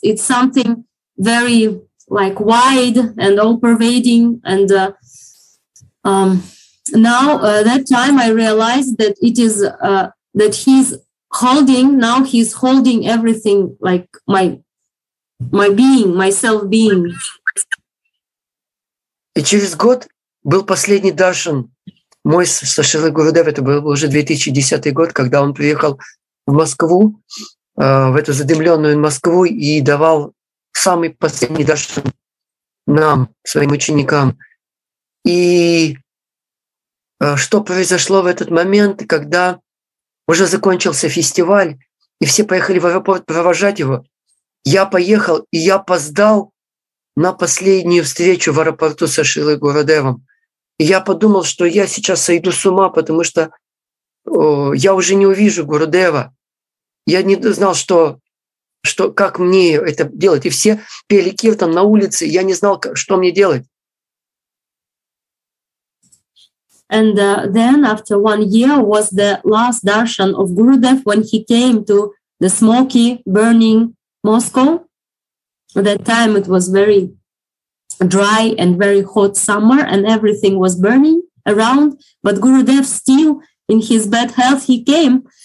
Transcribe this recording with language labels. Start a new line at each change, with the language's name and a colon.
English: It's something very like wide and all-pervading. And now that time I realized that it is that he's holding, now he's holding everything, like my being, my self-being.
Russian: Был последний даршан мой со Шрилой Гурудев. Это был уже 2010 год, когда он приехал в Москву, в эту задымленную Москву, и давал самый последний даршан нам, своим ученикам. И что произошло в этот момент, когда уже закончился фестиваль, и все поехали в аэропорт провожать его? Я поехал, и я опоздал на последнюю встречу в аэропорту со Шрилой Гурудевом. И я подумал, что я сейчас сойду с ума, потому что я уже не увижу Гурудева. Я не знал, что как мне это делать. И все пели киртан на улице, я не знал, что мне делать.
English: And then after one year was the last darshan of Gurudev when he came to the smoky, burning Moscow. At that time it was very dry and very hot summer, and everything was burning around, but Gurudev still in his bad health he came.